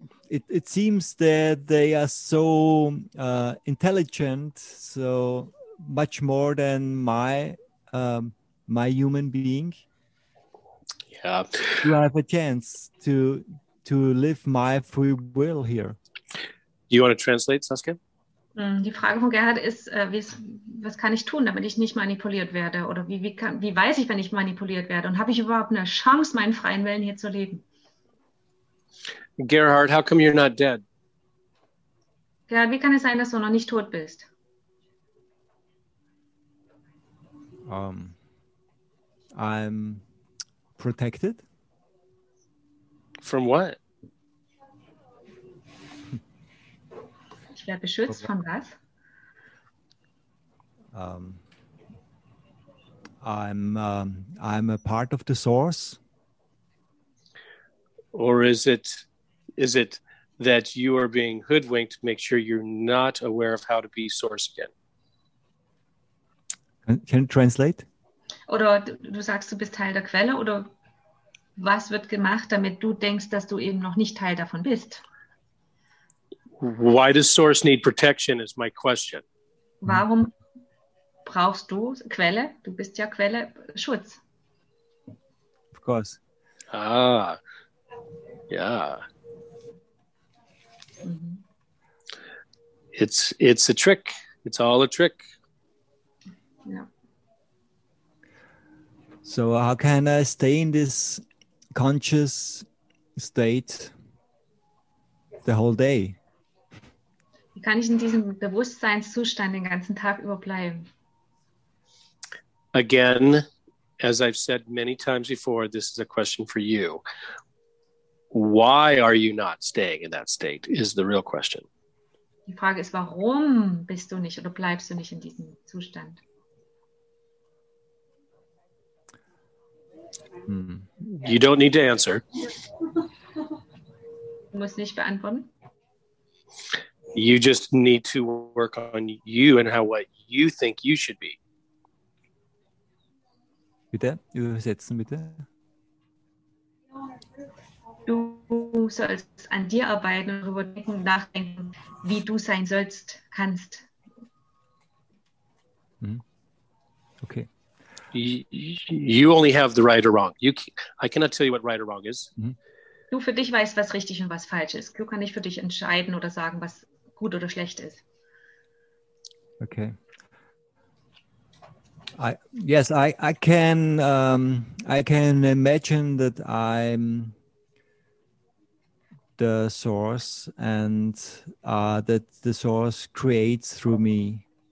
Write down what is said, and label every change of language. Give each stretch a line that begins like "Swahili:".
English: It seems that they are so intelligent, so much more than my human being. Yeah. Do I have a chance to live my free will here? Do you want to translate, Saskia?
German: Die Frage von Gerhard ist, was kann ich tun, damit ich nicht manipuliert werde? Oder wie weiß ich, wenn ich manipuliert werde? Und habe ich überhaupt eine Chance, meinen freien Willen hier zu leben?
English: Gerhard, how come you're not dead?
German: Gerhard, wie kann es sein, dass du noch nicht tot bist?
English: I'm protected. From what?
German: Ich werde beschützt von was?
English: I'm a part of the source. Or is it that you are being hoodwinked to make sure you're not aware of how to be source again? Can you translate?
German: Oder du sagst, du bist Teil der Quelle, oder was wird gemacht, damit du denkst, dass du eben noch nicht Teil davon bist?
English: Why does source need protection is my question.
German: Warum brauchst du Quelle? Du bist ja Quelle, Schutz.
English: Of course. Ah, yeah. It's a trick. It's all a trick. Yeah. So how can I stay in this conscious state the whole day?
German: Wie kann ich in diesem Bewusstseinszustand den ganzen Tag über bleiben?
English: Again, as I've said many times before, this is a question for you. Why are you not staying in that state is the real question.
German: Die Frage ist, warum bist du nicht oder bleibst du nicht in diesem Zustand?
English: You don't need to answer.
German: Du musst nicht beantworten.
English: You just need to work on you and how what you think you should be.
German: Bitte, übersetzen bitte. Du sollst an dir arbeiten und darüber nachdenken, wie du sein sollst, kannst.
English: Okay. You only have the right or wrong. I cannot tell you what right or wrong is.
German: Du für dich weißt, was richtig und was falsch ist. Du kannst nicht für dich entscheiden oder sagen, was gut oder schlecht ist.
English: Okay. I can imagine that I'm the source and that the source creates through me.